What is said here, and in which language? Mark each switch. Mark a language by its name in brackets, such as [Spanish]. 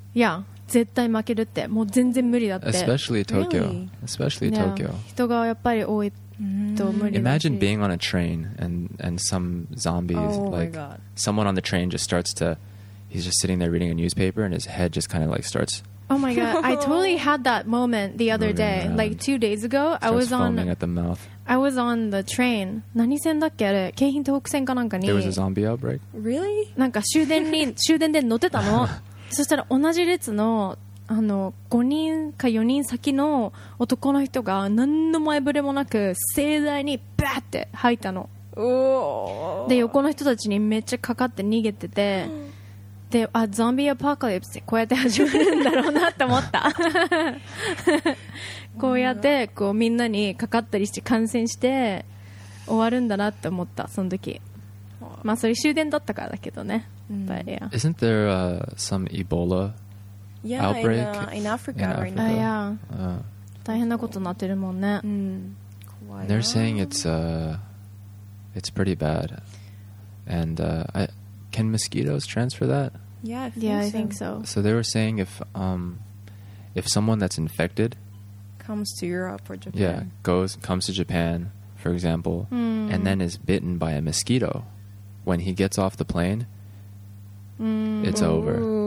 [Japanese] Yeah, 絶対負けるってもう全然無理だって [English] Especially Tokyo Especially Tokyo [Japanese] 人がやっぱり多いと無理だし [English] Imagine being on a train and some zombies like someone on the train just starts to He's just sitting there reading a newspaper and his head just kind of like starts Oh my god, I totally had that moment the other day around. Like 2 days ago starts I was on foaming at the mouth I was on the train. [Japanese] 何線だっけあれ? 京浜東北線かなんかに [English] There was a zombie outbreak? Really? [Japanese] なんか終電に、終電で乗ってたの そしたら同じ列の あの5人か4人先の男の人が何の前触れもなく盛大にバーって吐いたの で横の人たちにめっちゃかかって逃げてて で、あ、ゾンビアポカリプスってこうやって始まるんだろうなって思ったこうやってこうみんなにかかったりして感染して終わるんだなって思ったその時まあそれ終電だったからだけどね [English] yeah. Isn't there some Ebola yeah, outbreak? In Africa right now yeah. [Japanese] 大変なことになってるもんね [English] They're saying it's pretty bad And can mosquitoes transfer that? Yeah, I think so. So they were saying if someone that's infected comes to Europe or Japan, yeah, comes to Japan, for example, and then is bitten by a mosquito, when he gets off the plane, it's over.